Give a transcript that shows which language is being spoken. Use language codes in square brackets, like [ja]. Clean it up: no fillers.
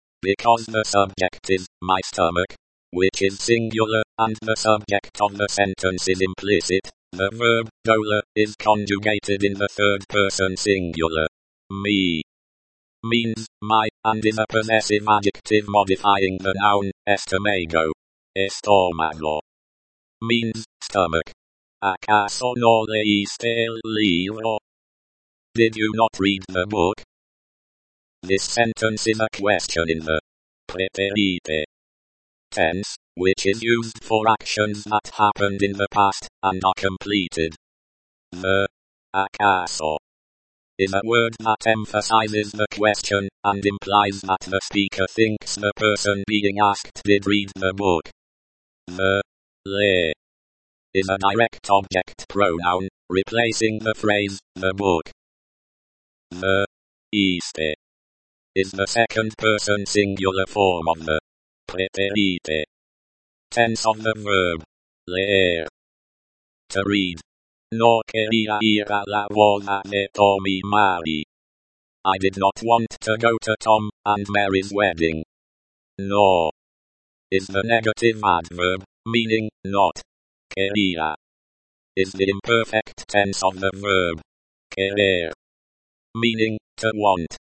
[en] Because the subject is my stomach, which is singular, and the subject of the sentence is implicit, the verb doler is conjugated in the third person singular. Me means my and is a possessive adjective modifying the noun estomago. Estómago means stomach. [es] ¿Acaso no leíste el libro? [en] Did you not read the book? This sentence is a question in the preterite tense, which is used for actions that happened in the past and are completed. The acaso is a word that emphasizes the question and implies that the speaker thinks the person being asked did read the book. The le is a direct object pronoun, replacing the phrase the book. The este is the second person singular form of the preterite tense of the verb leer, to read. [es] No quería ir a la boda de Tom y Mary. [en] I did not want to go to Tom and Mary's wedding. No is the negative adverb, meaning not. Quería is the imperfect tense of the verb querer, meaning to want.